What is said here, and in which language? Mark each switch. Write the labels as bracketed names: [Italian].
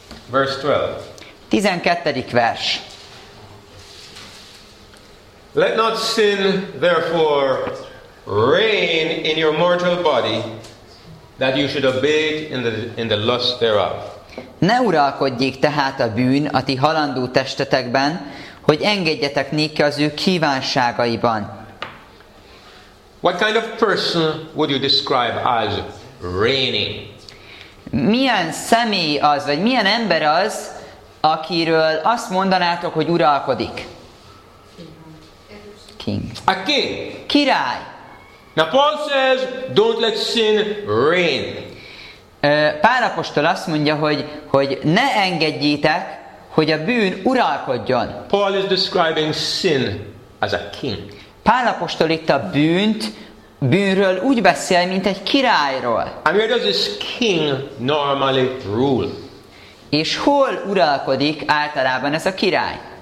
[English] Verse 12. [Hungarian] 12. vers. [English] Let not sin, therefore, reign in your mortal body, that you should obey in the lust thereof. [Hungarian] Ne uralkodjék tehát a bűn a ti halandó testetekben, hogy engedjetek néki az ő kívánságaiban. [English] What kind of person would you describe as reigning? [Hungarian] Milyen személy az, vagy milyen ember az, akiről azt mondanátok, hogy uralkodik? [English] King. A king. [Hungarian] Király. [English] Now Paul says, don't let sin reign. [Hungarian] Pál apostol azt mondja, hogy ne engedjétek, hogy a bűn uralkodjon. [English] Paul is describing sin as a king. [Hungarian] Pál apostol itt a bűnről úgy beszél, mint egy királyról. [English] And where does this king normally rule? [Hungarian] És hol uralkodik általában ez a király?